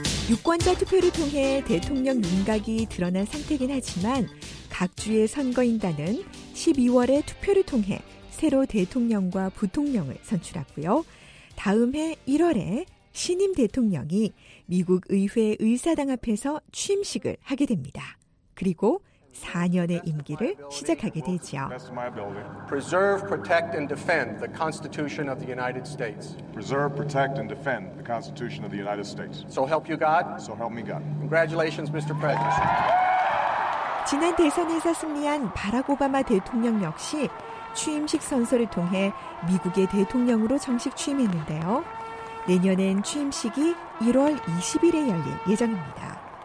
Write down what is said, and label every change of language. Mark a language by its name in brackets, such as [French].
[Korean] 유권자 투표를 통해 대통령 윤곽이 드러난 상태긴 하지만 각 주의 선거인단은 12월에 투표를 통해 새로 대통령과 부통령을 선출하고요. 다음 해 1월에 신임 대통령이 미국 의회 의사당 앞에서 취임식을 하게 됩니다. 그리고 4년의 임기를 시작하게 되죠. [English] Preserve, protect, and defend the Constitution of the United States. Preserve, protect, and defend the Constitution of the United States. So help you God. So help me God. Congratulations, Mr. President. [Korean] 지난 대선에서 승리한 바락 오바마 대통령 역시 취임식 선서를 통해 미국의 대통령으로 정식 취임했는데요. 내년엔 취임식이 1월 20일에 열릴 예정입니다.